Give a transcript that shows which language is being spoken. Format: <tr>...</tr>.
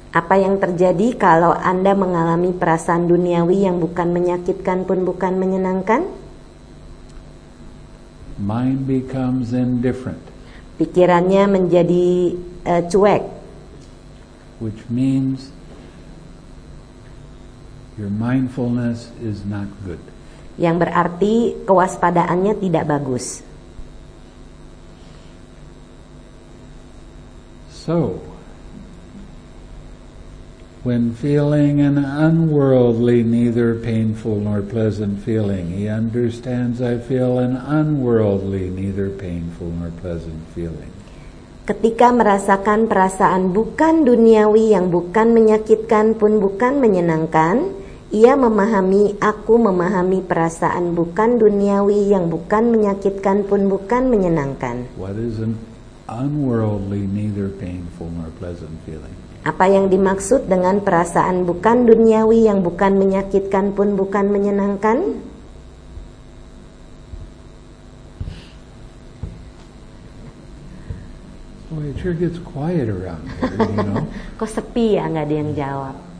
<id>Apa yang terjadi kalau Anda mengalami perasaan duniawi yang bukan menyakitkan pun bukan menyenangkan?</id> <en>Mind becomes indifferent.</en> <id>Pikirannya menjadi cuek.</id> <en>Which means your mindfulness is not good.</en> <id>Yang berarti kewaspadaannya tidak bagus.</id> <en>So, when feeling an unworldly, neither painful nor pleasant feeling, he understands, I feel an unworldly, neither painful nor pleasant feeling.</en> <id>Ketika merasakan perasaan bukan duniawi yang bukan menyakitkan pun bukan menyenangkan, ia memahami, aku memahami perasaan bukan duniawi yang bukan menyakitkan pun bukan menyenangkan.</id> <en>What is an unworldly, neither painful nor pleasant feeling?</en> <id>Apa yang dimaksud dengan perasaan bukan duniawi yang bukan menyakitkan pun bukan menyenangkan?</id> <en>Boy, it sure gets quiet around here, you know?</en> <id>Kok sepi ya, nggak ada yang jawab?</id>